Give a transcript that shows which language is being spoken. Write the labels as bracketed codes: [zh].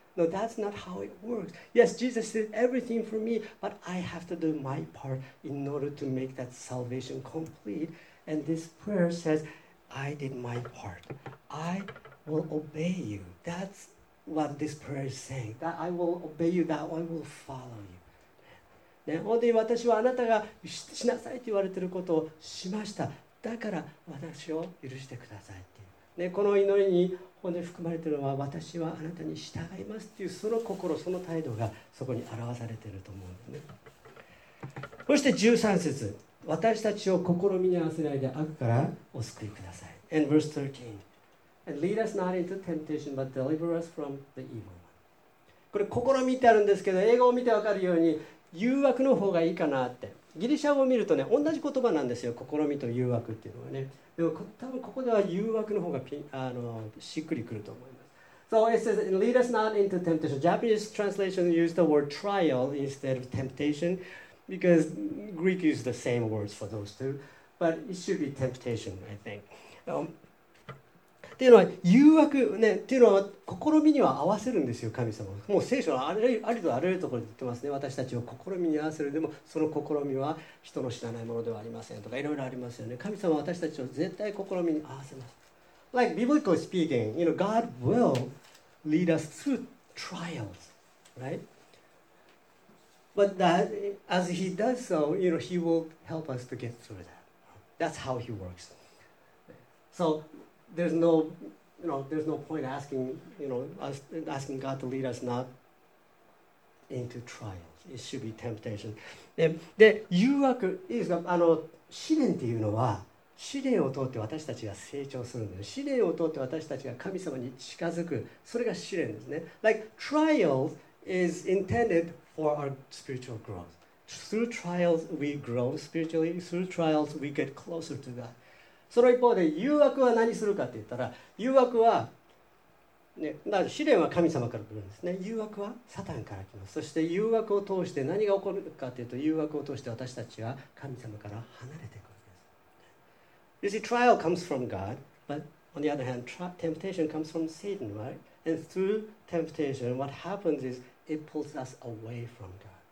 [en] No, that's not how it works. Yes, Jesus did everything for me, but I have to do my part in order to make that salvation complete. And this prayer says, I did my part. I will obey you. That's what this prayer is saying. That I will obey you, that I will follow you.、 [ja] ね、本当に私はあなたが しなさいと言われていることをしました。だから私を許してくださいっていう。ね、この祈りに本当に含まれているのは、私はあなたに従いますというその心、その態度がそこに表されていると思うんですね。そして13節、私たちを試みに合わせないで悪からお救いください。 [en] And verse 13, And lead us not into temptation, but deliver us from the evil one. [ja] これ試みってあるんですけど、英語を見てわかるように誘惑の方がいいかなって。ギリシャ語を見るとね、同じ言葉なんですよ、試みと誘惑っていうのはね。でも多分ここでは誘惑の方がしっくりくると思います。 [en] So it says, lead us not into temptation. Japanese translation used the word trial instead of temptation. Because Greek use the same words for those two, but it should be temptation, I think. [ja] っていうのは誘惑ね、っていうのは試みには合わせるんですよ、神様。もう聖書はありとあらゆるところで言ってますね。私たちを試みに合わせる、でもその試みは人の知らないものではありませんとか、いろいろありますよね。神様は私たちを絶対試みに合わせます。 [en] Like biblical speaking, you know, God will lead us through trials, right? But that, as he does so, you know, he will help us to get through that. That's how he works. So there's no, you know, there's no point asking, you know, asking God to lead us not into trials. It should be temptation. [ja] で誘惑、いいですか、試練っていうのは、試練を通って私たちが成長するんです。試練を通って私たちが神様に近づく。それが試練ですね。 [en] Like trial is intended. For our spiritual growth. Through trials, we grow spiritually. Through trials, we get closer to God. [ja] その一方で誘惑は何するかって言ったら、誘惑は、ね、だから試練は神様から来るんですね。誘惑はサタンから来ます。そして誘惑を通して何が起こるかというと、誘惑を通して私たちは神様から離れていくわけです。 [en] You see, trial comes from God, but on the other hand, temptation comes from Satan, right? And through temptation, what happens isIt pulls us away from God.